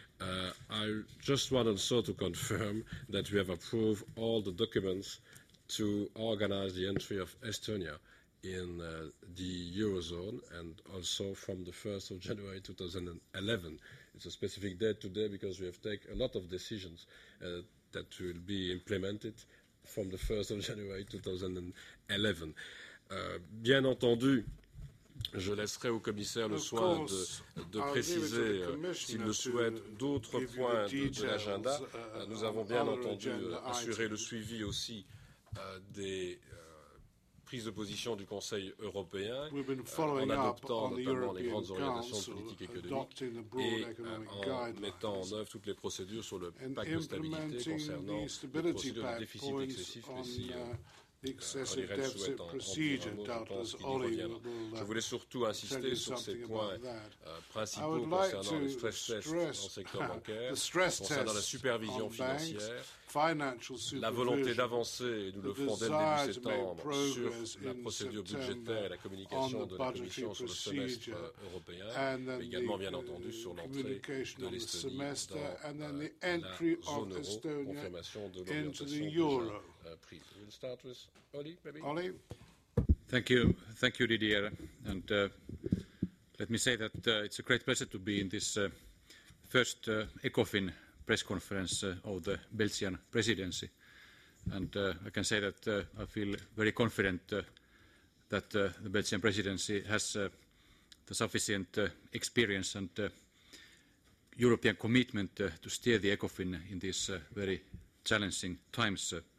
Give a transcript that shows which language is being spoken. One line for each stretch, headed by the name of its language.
English: I just want also to confirm that we have approved all the documents to organize the entry of Estonia in the Eurozone, and also from the 1st of January 2011. It's a specific date today because we have taken a lot of decisions that will be implemented from the 1st of January 2011.
French: Bien entendu, je laisserai au commissaire le soin de préciser, s'il le souhaite, d'autres points de l'agenda. Nous avons bien entendu assuré le suivi aussi des prise de position du Conseil européen en adoptant notamment les grandes orientations politiques et économiques et en mettant en œuvre toutes les procédures sur le pacte de stabilité concernant les procédures de déficit excessif, mais si Olli Rehn souhaite en prendre un mot, je pense qu'il y reviendra. Je voulais surtout insister sur ces points principaux concernant le stress test en secteur bancaire, concernant la supervision financière, la volonté d'avancer, et nous le ferons dès le début septembre, sur la procédure budgétaire et la communication de la Commission sur le semestre européen, mais également, bien entendu, sur l'entrée de l'Estonie dans la zone euro, confirmation de l'orientation déjà prise.
English: We'll start with Olli, maybe. Olli. Thank you, Didier. And let me say that it's a great pleasure to be in this first ECOFIN press conference of the Belgian presidency, and I can say that I feel very confident that the Belgian presidency has the sufficient experience and European commitment to steer the ECOFIN in these very challenging times.